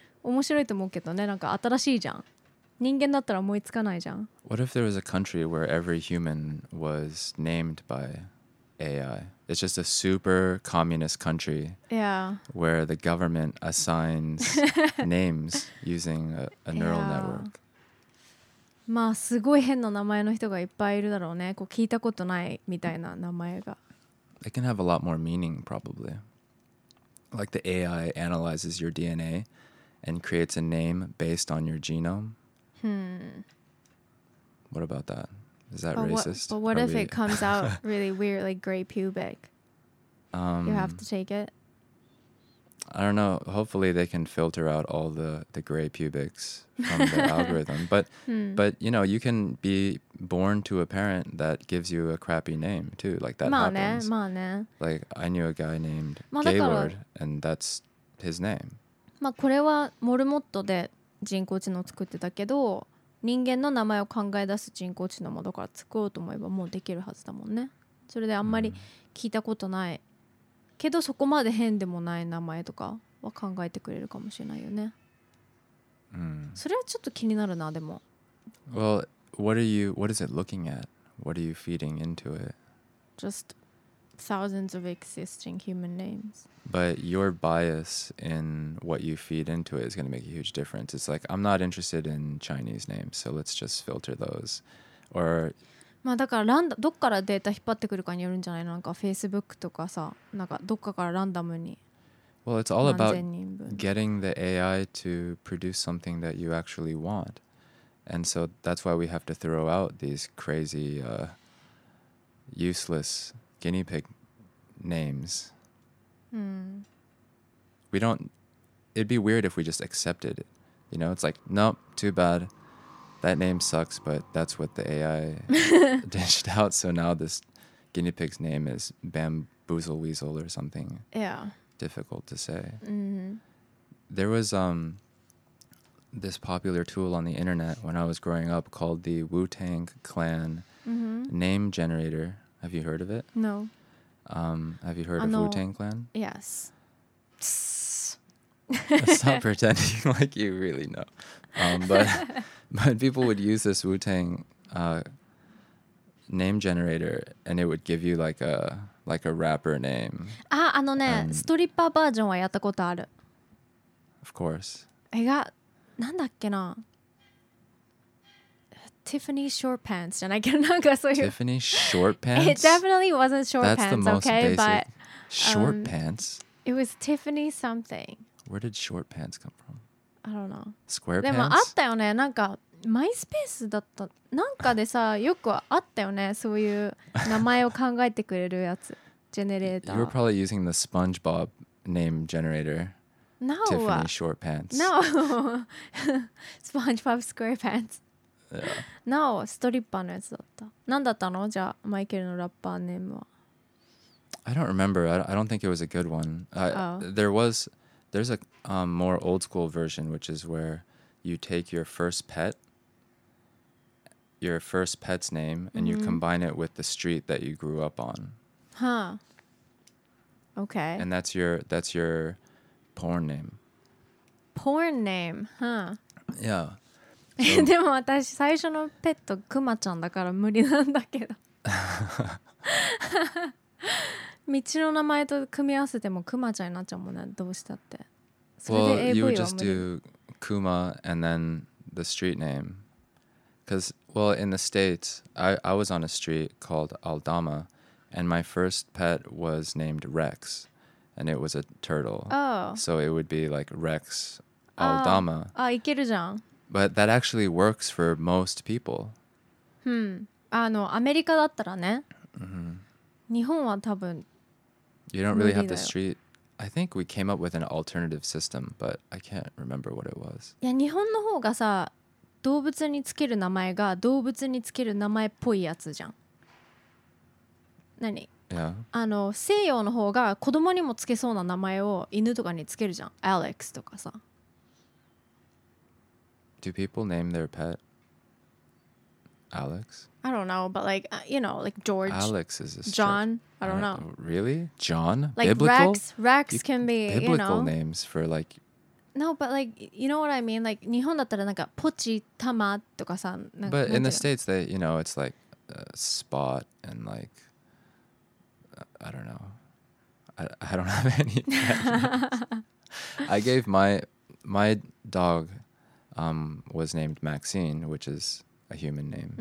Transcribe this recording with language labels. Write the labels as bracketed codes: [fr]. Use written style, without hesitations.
[ja] 面白いと思うけどね、なんか新しいじゃん。人間だったら思いつかないじゃん。 [en] What if there was a country where every human was named by AI? It's just a super communist country. Yeah. Where the government assigns names using a neural network. [ja] まあすごい変な名前の人がいっぱいいるだろうね。こう聞いたことないみたいな名前が。 [en] It can have a lot more meaning probably. Like the AI analyzes your DNA. And creates a name based on your genome? What about that? Is that racist? But what if it comes out really weird, like gray pubic? You have to take it? I don't know. Hopefully they can filter out all the gray pubics from the algorithm. But you know, you can be born to a parent that gives you a crappy name too. Like that happens. [ja] まあね。 [en] Like I knew a guy named Gaylord and that's his name. [ja] まあ、これはモルモットで人工知能を作ってたけど、人間の名前を考え出す人工知能もだから作ろうと思えばもうできるはずだもんね。それであんまり聞いたことないけど、そこまで変でもない名前とかは考えてくれるかもしれないよね。それはちょっと気になるな。でも [en] Well, what is it looking at? What are you feeding into it? Just thousands of existing human names But your bias in what you feed into it is going to make a huge difference. It's like, I'm not interested in Chinese names, so let's just filter those. Or, [ja] まあだからランダどっからデータ引っ張ってくるかによるんじゃない？なんか Facebook とかさ、なんかどっかからランダムに。 [en] Well, it's all about getting the AI to produce something that you actually want. And so that's why we have to throw out these crazy, useless guinea pig names. We don't. It'd be weird if we just accepted it. You know, it's like, nope, too bad. That name sucks, but that's what the AI dished out. So now this guinea pig's name is Bamboozle Weasel or something. Yeah. Difficult to say. Mm-hmm. There was this popular tool on the internet when I was growing up called the Wu-Tang Clan Name Generator. Have you heard of it? No. Have you heard of Wu-Tang Clan? Yes. Stop pretending like you really know. But people would use this Wu-Tang name generator and it would give you like a rapper name. [ja] Ah, あのね、ストリッパーバージョンはやったことある。 [en] Of course. I got, [ja] なんだっけな。 Tiffany short pants, じゃないけどなんかそういう [en] Tiffany short pants? It definitely wasn't short pants, okay? But short pants? It was Tiffany something. Where did short pants come from? I don't know. Square [ja] で [en] pants? [ja] でもあったよね、なんか MySpace だったなんかでさ、よくあったよね、そういう名前を考えてくれるやつ、ジェネレーター。 [en] You were probably using the SpongeBob name generator. Now Tiffany what? Short pants. No. SpongeBob SquarePants. Yeah. Now, [ja] stripper のやつだった。なんだったの？じゃあ、マイケルのラッパーネームは。 [en] I don't remember. I don't think it was a good one. There's a more old school version, which is where you take your first pet, your first pet's name, and you combine it with the street that you grew up on. Huh. Okay. And that's your porn name. Porn name, huh? Yeah. [ja] でも私最初のペットクマちゃんだから無理なんだけど道の名前と組み合わせてもクマちゃんになっちゃうもんねどうしたってそれで AV は無理 [en] You would just do Kuma and then the street name Because, well, in the States I was on a street called Aldama And my first pet was named Rex And it was a turtle Oh. So it would be like Rex Aldama [ja] あ、いけるじゃん [en] But that actually works for most people. [ja] Hmm. America だったらね。日本は多分。 [en] You don't really have the street. I think we came up with an alternative system, but I can't remember what it was. [ja] いや、日本の方がさ、動物につける名前が動物につける名前っぽいやつじゃん。何？ [en] Yeah. [ja] 西洋の方が子供にもつけそうな名前を犬とかにつけるじゃん。 Alex とかさ。 [en] Do people name their pet Alex? I don't know, but like, you know, like George. Alex is a John. I don't know. Really? John? Like biblical? Rex can be, you know. Biblical names for like... No, but like, you know what I mean? Like, [ja] 日本だったらなんかポチ、タマとかさ。 [en] But in the States, they, you know, it's like Spot and like, I don't know. I don't have any pet names. I gave my dog... was named Maxine, which is a human name.